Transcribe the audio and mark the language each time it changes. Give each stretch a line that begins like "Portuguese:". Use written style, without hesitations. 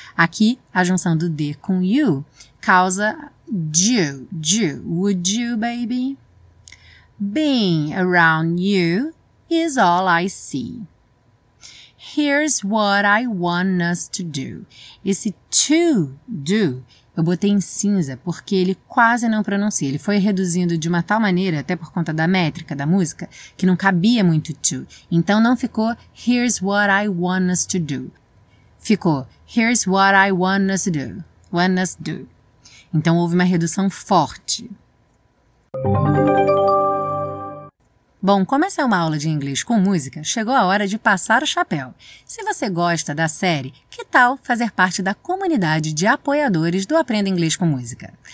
Portuguese: Aqui, a junção do D com you causa do.
English: Would you, baby? Being around you is all I see. Here's what I want us to do.
Portuguese: Esse
English: to do
Portuguese: eu botei em cinza porque ele quase não pronuncia. Ele foi reduzindo de uma tal maneira, até por conta da métrica da música, que não cabia muito to. Então, não ficou
English: here's what I want us to do.
Portuguese: Ficou,
English: here's what I want us to do. Want us do.
Portuguese: Então, houve uma redução forte. Bom, como essa é uma aula de inglês com música, chegou a hora de passar o chapéu. Se você gosta da série, que tal fazer parte da comunidade de apoiadores do Aprenda Inglês com Música?